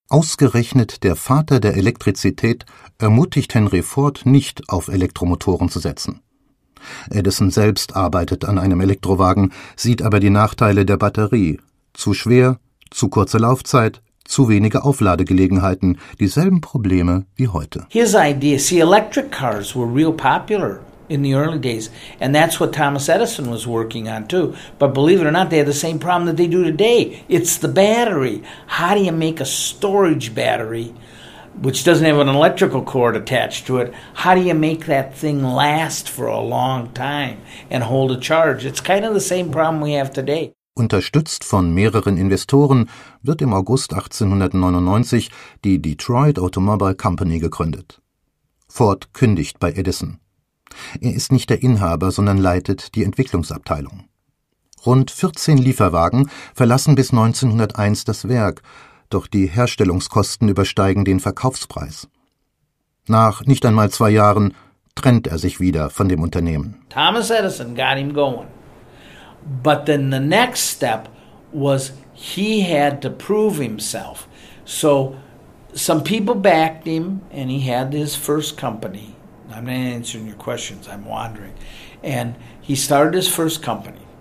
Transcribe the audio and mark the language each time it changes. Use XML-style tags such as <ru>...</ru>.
<de>Ausgerechnet der Vater der Elektrizität ermutigt Henry Ford nicht, auf Elektromotoren zu setzen. Edison selbst arbeitet an einem Elektrowagen, sieht aber die Nachteile der Batterie. Zu schwer, zu kurze Laufzeit, zu wenige Aufladegelegenheiten, dieselben Probleme wie heute.</de> <en>His idea, see, electric cars were real popular in the early days, and that's what Thomas Edison was working on too. But believe it or not, they had the same problem that they do today. It's the battery. How do you make a storage battery, which doesn't have an electrical cord attached to it, how do you make that thing last for a long time and hold a charge? It's kind of the same problem we have today.</en> <de>Unterstützt von mehreren Investoren wird im August 1899 die Detroit Automobile Company gegründet. Ford kündigt bei Edison. Er ist nicht der Inhaber, sondern leitet die Entwicklungsabteilung. Rund 14 Lieferwagen verlassen bis 1901 das Werk, doch die Herstellungskosten übersteigen den Verkaufspreis. Nach nicht einmal 2 Jahren trennt er sich wieder von dem Unternehmen.</de> <en>Thomas Edison got him going. But then the next step was he had to prove himself. So some people backed him and he had his first company. I'm not answering your questions. I'm wandering. And he started his first company.</en>